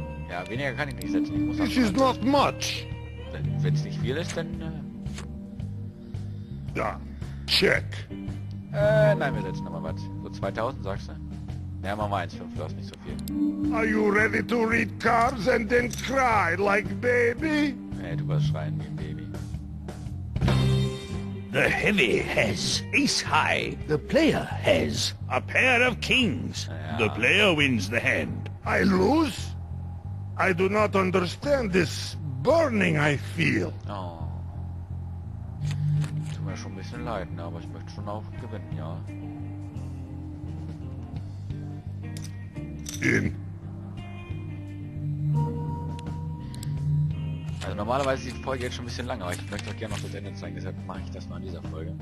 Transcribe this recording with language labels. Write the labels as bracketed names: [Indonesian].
[German] Ja, weniger kann ich nicht setzen. Ich muss [English] this is not much. [German] Wenn es nicht viel ist, dann... Da. Check. Nein, wir setzen nochmal was. So 2000, sagst du? Ja, machen wir 1,5, das ist nicht so viel. [English] Are you ready to read cards and then cry like baby? [German] Nee, du wirst schreien wie ein Baby. [English] The heavy has ace high. The player has a pair of kings. [German] Ja. [English] The player wins the hand. I lose? I do not understand this burning I feel. Oh. [German] Tut mir schon ein bisschen leid, ne? Aber ich möchte schon auch gewinnen, ja. [English] In. [German] Also normalerweise ist die Folge jetzt schon ein bisschen lang, aber ich möchte auch gerne noch das Ende zeigen, deshalb mache ich das mal in dieser Folge.